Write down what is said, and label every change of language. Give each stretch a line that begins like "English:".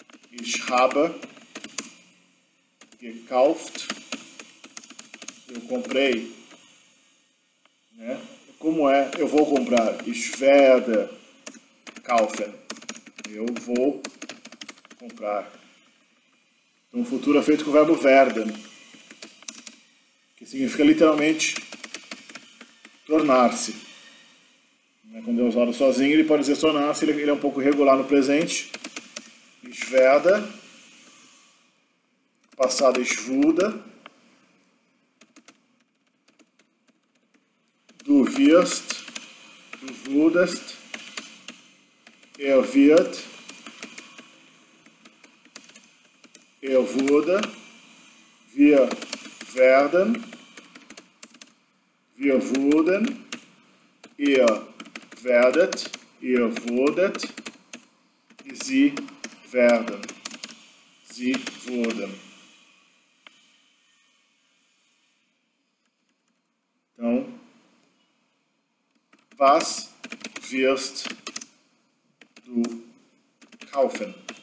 German: Ich habe gekauft,
Portuguese: eu comprei. Né? Como é? Eu vou comprar.
German: Ich werde kaufen,
Portuguese: eu vou comprar. Então, o futuro é feito com o verbo werden, que significa literalmente tornar-se. Quando é usado sozinho, ele pode dizer tornar-se, ele é um pouco irregular no presente.
German: Ich werde,
Portuguese: passado
German: ich wurde, du wirst, du wurdest, er wird.
Portuguese: Eu vou,
German: wir werden, wir wurden, ihr werdet, ihr wurdet, sie werden, sie wurden.
Portuguese: Então,
German: was wirst du kaufen?